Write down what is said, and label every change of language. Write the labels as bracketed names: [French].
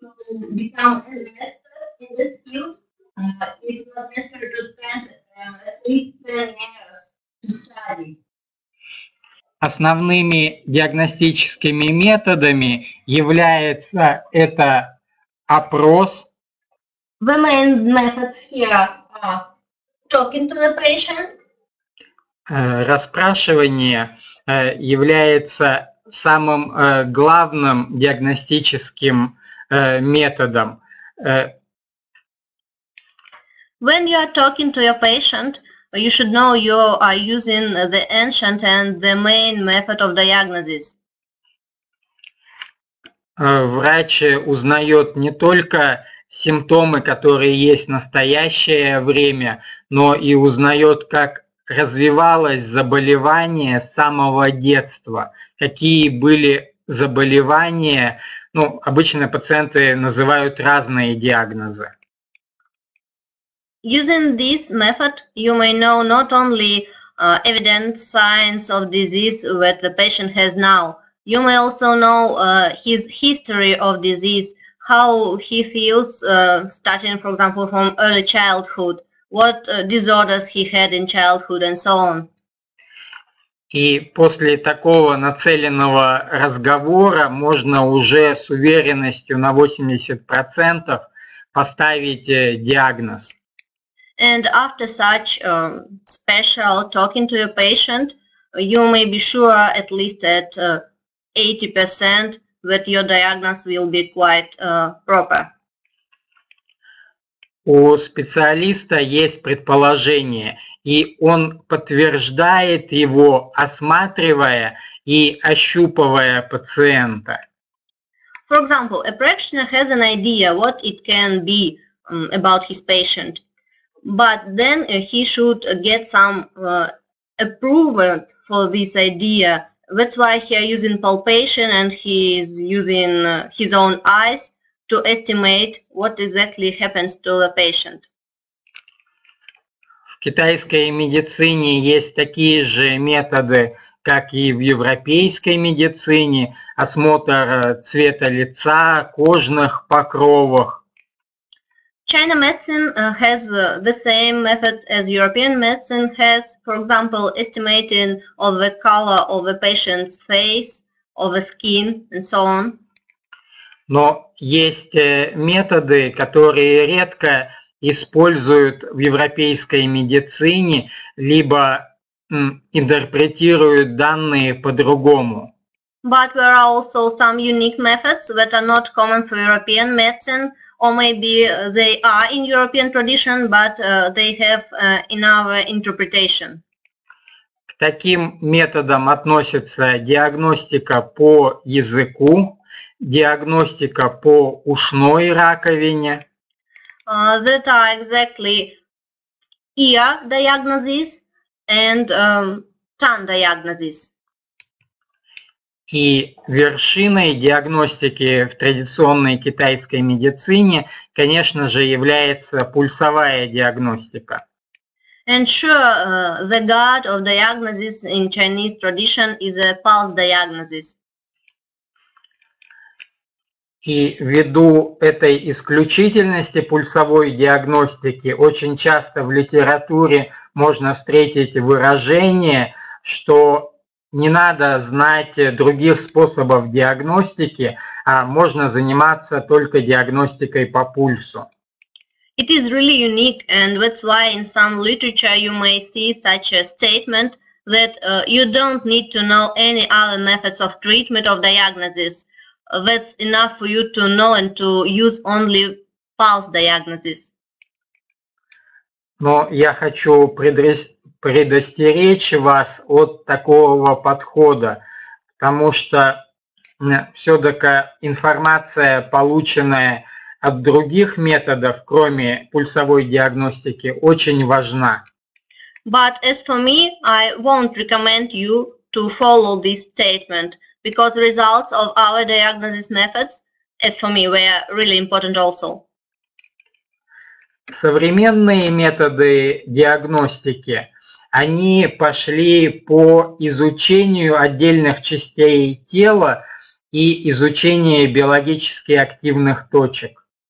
[English] To become an expert in this field, it was necessary to spend at least 10 years to study. [Russian] основными диагностическими методами является это опрос. [English] The main method here are talking to the patient. [Russian] Расспрашивание является самым главным диагностическим методом. [English] When you are talking to your patient, you should know you are using the ancient and the main method of diagnosis. [Russian] Врач узнает не только симптомы, которые есть в настоящее время, но и узнает, как развивалось заболевание с самого детства, какие были заболевания. Ну, обычно пациенты называют разные диагнозы. [English] Using this method, you may know not only evident signs of disease that the patient has now, you may also know his history of disease, how he feels, starting, for example, from early childhood, what disorders he had in childhood, and so on. [Russian] И после такого нацеленного разговора можно уже с уверенностью на 80% поставить диагноз. [English] And after such special talking to your patient, you may be sure at least at 80% that your diagnosis will be quite proper. [Russian] У специалиста есть предположение, и он подтверждает его, осматривая и ощупывая пациента. [English] For example, a practitioner has an idea what it can be about his patient. But then he should get some approval for this idea. That's why he is using palpation and he is using his own eyes to estimate what exactly happens to the patient. [Russian] В китайской медицине есть такие же методы, как и в европейской медицине, осмотр цвета лица, кожных покровов. [English] China medicine has the same methods as European medicine has, for example, estimating of the color of the patient's face, of the skin, and so on. [Russian] Но есть методы, которые редко используют в европейской медицине, либо интерпретируют данные по-другому. [English] But there are also some unique methods that are not common for European medicine. Or maybe they are in European tradition, but they have another interpretation. [Russian] К таким методам относятся диагностика по языку, диагностика по ушной раковине. [English] That are exactly ear diagnosis and tongue diagnosis. [Russian] И вершиной диагностики в традиционной китайской медицине, конечно же, является пульсовая диагностика. [English] And sure, the god of diagnosis in Chinese tradition is a pulse diagnosis. [Russian] И ввиду этой исключительности пульсовой диагностики, очень часто в литературе можно встретить выражение, что не надо знать других способов диагностики, а можно заниматься только диагностикой по пульсу. [English] It is really unique, and that's why in some literature you may see such a statement that you don't need to know any other methods of treatment of diagnosis. That's enough for you to know and to use only pulse diagnosis. [Russian] Но я хочу предостеречь вас от такого подхода, потому что все-таки информация, полученная от других методов, кроме пульсовой диагностики, очень важна. [English] But as for me, I won't recommend you to follow this statement, because results of our diagnosis methods, as for me, were really important also. [Russian] Современные методы диагностики, они пошли по изучению отдельных частей тела и изучению биологически активных точек.